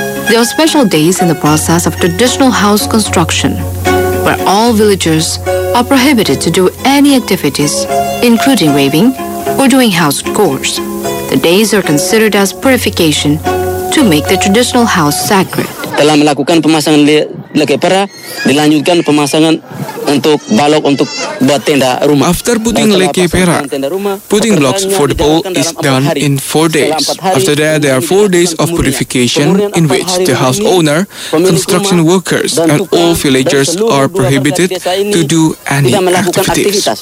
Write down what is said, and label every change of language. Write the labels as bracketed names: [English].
[English] There are special days in the process of traditional house construction, where all villagers are prohibited to do any activities, including weaving or doing house chores. The days are considered as purification to make the traditional house sacred. [Indonesian] Telah melakukan pemasangan lekepera, dilanjutkan pemasangan untuk balok untuk buat tenda rumah. [English] After putting leke perak, putting blocks for the pole is done in 4 days. After that, there are 4 days of purification in which the house owner, construction workers, and all villagers are prohibited to do any activities.